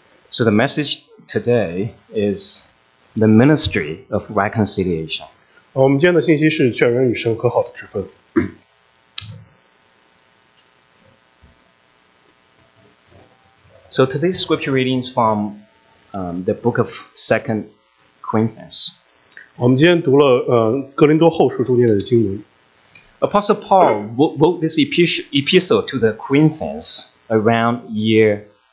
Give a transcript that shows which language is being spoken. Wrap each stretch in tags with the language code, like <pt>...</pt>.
<en>So the message today is the ministry of reconciliation.</en> <zh>我们今天的信息是劝人与神和好的职分。</zh> <en>So today's scripture readings from the book of 2 Corinthians.</en> <zh>我们今天读了格林多后书中间的经文。</zh> <en>Apostle Paul wrote this epistle to the Corinthians around year</en>